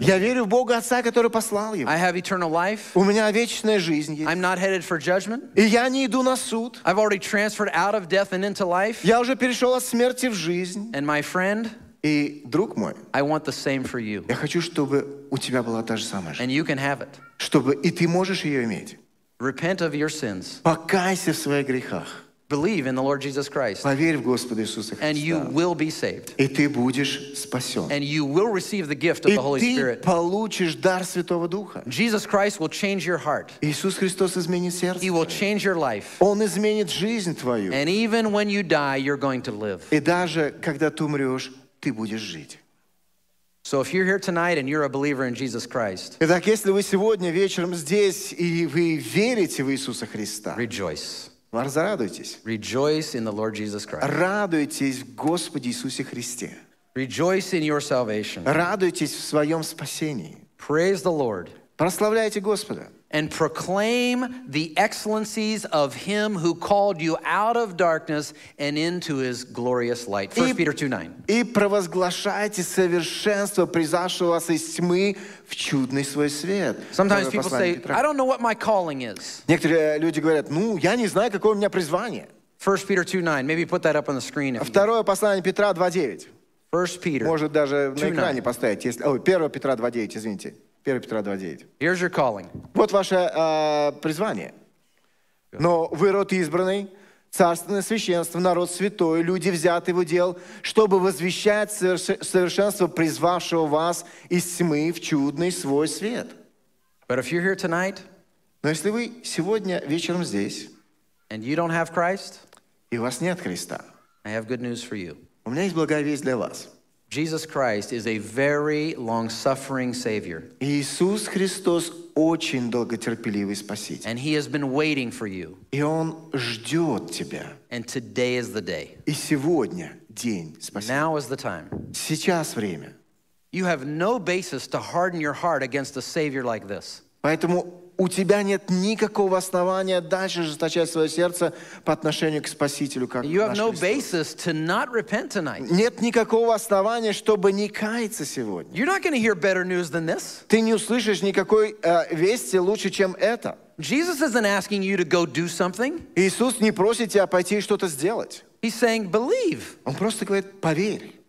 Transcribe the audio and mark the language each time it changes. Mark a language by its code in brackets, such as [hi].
[ru] Я верю в Бога Отца, который послал его. [en] I have eternal life. [ru] У меня вечная жизнь есть. [en] I'm not headed for judgment. [ru] И я не иду на суд. [en] I've already transferred out of death and into life. [ru] Я уже перешел от смерти в жизнь. [en] And my friend, [ru] и друг мой, [en] I want the same for you. [ru] Я хочу, чтобы у тебя была та же самая жизнь. [en] And you can have it. [ru] Чтобы и ты можешь ее иметь. [en] Repent of your sins. [ru] Покайся в своих грехах. [en] Believe in the Lord Jesus Christ. [ru] Поверь в Господа Иисуса Христа. [en] And you will be saved. [ru] И ты будешь спасен. [en] And you will receive the gift of the Holy Spirit. [ru] И ты получишь дар Святого Духа. [en] Jesus Christ will change your heart. [ru] Иисус Христос изменит сердце. [en] He will change your life. [ru] Он изменит жизнь твою. [en] And even when you die, you're going to live. [ru] И даже когда ты умрешь, ты будешь жить. [en] So if you're here tonight and you're a believer in Jesus Christ, [ru] итак, если вы сегодня вечером здесь и вы верите в Иисуса Христа, [en] rejoice. [ru] Возрадуйтесь. [en] Rejoice in the Lord Jesus Christ. [ru] Радуйтесь в Господе Иисусе Христе. [en] Rejoice in your salvation. [ru] Радуйтесь в своем спасении. [en] Praise the Lord. [ru] Прославляйте Господа. [en] And proclaim the excellencies of Him who called you out of darkness and into His glorious light. 1 Peter 2:9. [ru] И провозглашайте совершенство призвавшего вас из тьмы в чудный свой свет. [en] Sometimes people say, I don't know what my calling is. [ru] Некоторые люди говорят, ну, я не знаю, какое у меня призвание. [en] 1 Peter 2:9. Maybe put that up on the screen. [ru] Второе послание Петра 2:9. [en] 1 Peter. [ru] Может даже на экране поставить, если. Ой, 1 Петра 2:9, извините. 1 Петра 2:9. [en] Here's your calling. [ru] Вот ваше призвание. Но вы род избранный, царственное священство, народ святой, люди взяты в удел, чтобы возвещать совершенство призвавшего вас из тьмы в чудный свой свет. [en] But if you're here tonight, [ru] но если вы сегодня вечером здесь, [en] and you don't have Christ, [ru] и у вас нет Христа, [en] I have good news for you. [ru] У меня есть благая весть для вас. [en] Jesus Christ is a very long-suffering Savior. [ru] Иисус Христос очень долготерпеливый Спаситель. [en] And He has been waiting for you. [ru] И Он ждет тебя. [en] And today is the day. [ru] И сегодня день Спасения. [en] Now is the time. [ru] Сейчас время. [en] You have no basis to harden your heart against a Savior like this. [ru] Поэтому у тебя нет никакого основания дальше жесточать свое сердце по отношению к Спасителю, как [en] you have no basis to not repent tonight. [ru] Нет никакого основания, чтобы не каяться сегодня. [en] You're not going to hear better news than this. [ru] Ты не услышишь никакой вести лучше, чем это. [en] Jesus isn't asking you to go do something. [ru] Иисус не просит тебя пойти что-то сделать. [en] He's saying, believe. [ru] Он просто говорит, поверь.